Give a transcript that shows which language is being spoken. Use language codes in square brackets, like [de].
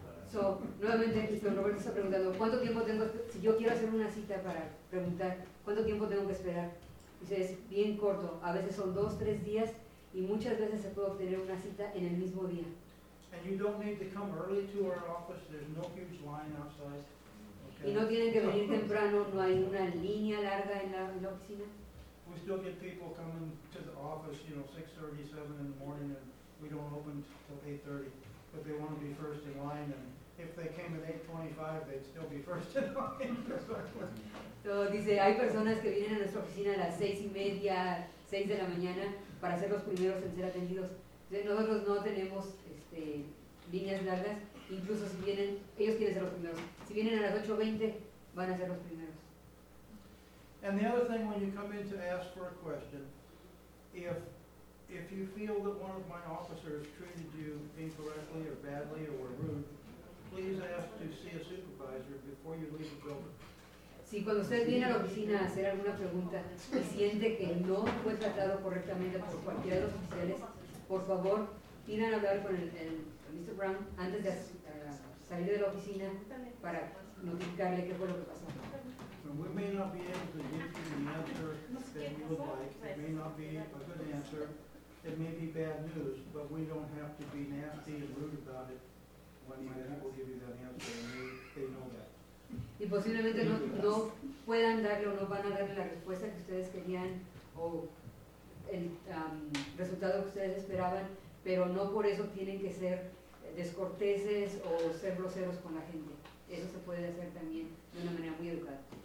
[es] So, nuevamente, Cristian Roberto está preguntando, ¿cuánto tiempo tengo, si yo quiero hacer una cita para preguntar, cuánto tiempo tengo que esperar? Dice, es bien corto, a veces son 2, 3 días, y muchas veces se puede obtener una cita en el mismo día. [en] And you don't need to come early to our office, there's no huge line outside. Okay. [es] Y no tienen que venir temprano, no hay una línea larga en la oficina. [en] We still get people coming to the office, you know, 6:30, 7 in the morning, and we don't open till 8:30. But they want to be first in line, and if they came at 8:25, they'd still be first in line. [es] So, dice, hay personas que vienen a nuestra oficina a las 6:30, 6 de la mañana, para ser los primeros en ser atendidos. Entonces, nosotros no tenemos líneas largas, incluso si vienen, ellos quieren ser los primeros. Si vienen a las 8:20, van a ser los primeros. [en] And the other thing, when you come in to ask for a question, if you feel that one of my officers treated you incorrectly or badly or rude, please ask to see a supervisor before you leave the building. [es] Si cuando usted viene a la oficina a hacer alguna pregunta y siente que no fue tratado correctamente por cualquiera de los oficiales, por favor, pidan hablar con el Mr. Brown antes de salir de la oficina para notificarle qué fue lo que pasó. [en] And we may not be able to give you the answer that you would like. It may not be a good answer. It may be bad news, but we don't have to be nasty and rude about it when my dad will give you that answer, and they know that. [es] Y posiblemente no puedan darle o no van a darle la respuesta que ustedes querían o el resultado que ustedes esperaban, pero no por eso tienen que ser descorteses o ser groseros con la gente. Eso se puede hacer también de una manera muy educada.